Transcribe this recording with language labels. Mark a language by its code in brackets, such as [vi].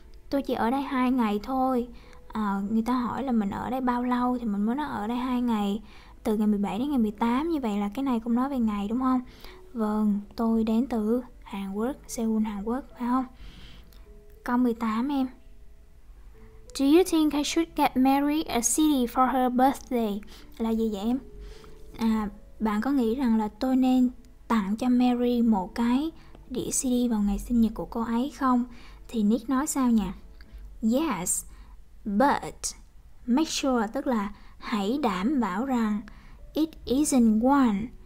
[vi] Tôi chỉ ở đây 2 ngày thôi. Người ta hỏi là mình ở đây bao lâu thì mình mới nói ở đây 2 ngày. Từ ngày 17 đến ngày 18, như vậy là cái này cũng nói về ngày đúng không? Vâng, tôi đến từ Hàn Quốc, Seoul, Hàn Quốc, phải không? Câu 18 em. [en] Do you think I should get married a city for her birthday? [vi] Là gì vậy em? Bạn có nghĩ rằng là tôi nên tặng cho Mary một cái đĩa CD vào ngày sinh nhật của cô ấy không? Thì Nick nói sao nhỉ? [en] Yes, but make sure, [vi] tức là hãy đảm bảo rằng [en] it isn't one.